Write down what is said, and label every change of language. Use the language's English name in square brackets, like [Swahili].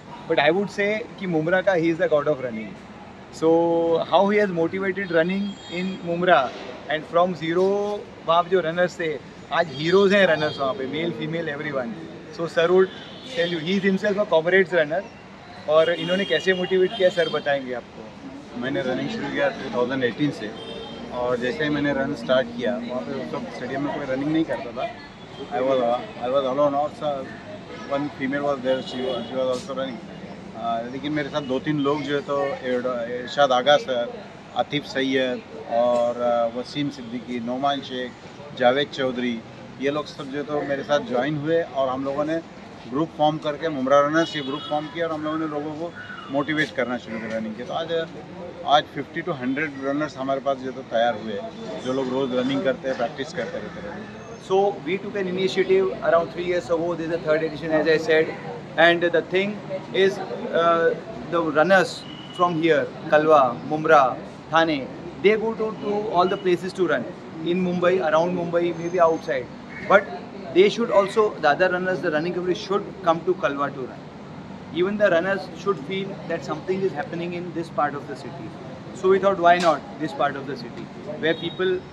[English] But I would say [Hindi] ki Mumra ka [English] he is the god of running. So how he has motivated running in Mumra and from zero [Hindi] wahan jo runners the, aaj heroes hain runners wahan pe, [English] male, female, everyone. So sir would tell you, he is himself a comrades runner. [Hindi] और इन्होंने कैसे motivate किया sir बताएंगे आपको मैंने running शुरू किया 2018 से और जैसे ही मैंने रन स्टार्ट किया वहाँ पर उस वक्त स्टेडियम में कोई रनिंग नहीं करता था [English] I was alone [Hindi] और [English] one female was there she was also running [Hindi] लेकिन मेरे साथ दो तीन लोग जो है तो इरशाद आगा सर आतिफ सैयद और वसीम सिद्दीकी नोमान शेख जावेद चौधरी ये लोग सब जो है तो मेरे साथ ज्वाइन हुए और हम लोगों ने ग्रुप फॉर्म करके मुमरा रनर्स ये ग्रुप फॉर्म किया और हम लोगों ने लोगों को मोटिवेट करना शुरू किया रनिंग के तो आज 50 to 100 रनर्स हमारे पास जो तो तैयार हुए जो लोग रोज़ रनिंग करते हैं प्रैक्टिस करते रहते हैं [English] so we took an initiative around 3 years ago this is the third edition as I said and the thing is the runners from here Kalwa Mumbra Thane they go to all the places to run in Mumbai around Mumbai may be outside but they should also the other runners the running community should come to Kalwa to run even the runners should feel that something is happening in this part of the city so we thought why not this part of the city where people